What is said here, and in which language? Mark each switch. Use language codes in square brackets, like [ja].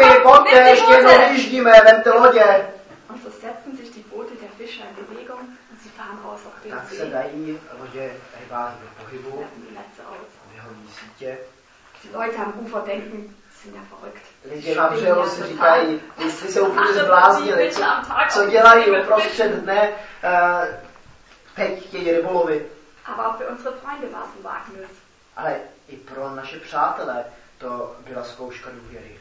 [cs] Chlapi, pojďte, ještě jednou vyjíždíme, vemte lodě. [de] Und so setzen sich die Boote der Fischer in Bewegung und sie fahren raus auf den See. [cs] Tak se dají lodě rybáři do pohybu. Vyhodí sítě. [de] Die Leute am Ufer denken, sind ja verrückt. [cs] Lidé na břehu si říkají, jestli se úplně zbláznili, co dělají uprostřed dne, teď chtějí rybolovy. [de] Aber auch für unsere Freunde war es ein Wagnis. [cs] Ale i pro naše přátelé to byla zkouška důvěry.